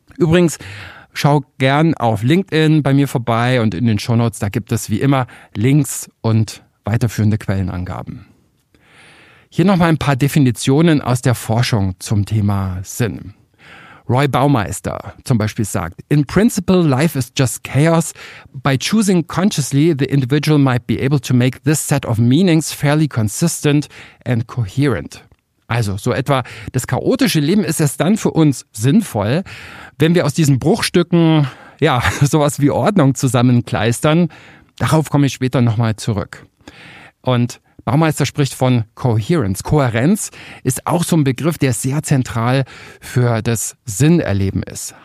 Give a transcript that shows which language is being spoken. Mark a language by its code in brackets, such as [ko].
[de] Übrigens, schau gern auf LinkedIn bei mir vorbei und in den Shownotes, da gibt es wie immer Links und weiterführende Quellenangaben. Hier nochmal ein paar Definitionen aus der Forschung zum Thema Sinn. [en] Roy Baumeister [de] zum Beispiel sagt, [en] in principle life is just chaos. By choosing consciously, the individual might be able to make this set of meanings fairly consistent and coherent. [de] Also so etwa, das chaotische Leben ist erst dann für uns sinnvoll, wenn wir aus diesen Bruchstücken ja sowas wie Ordnung zusammenkleistern. Darauf komme ich später nochmal zurück. Und Baumeister spricht von Coherence. Kohärenz ist auch so ein Begriff, der sehr zentral für das Sinnerleben ist.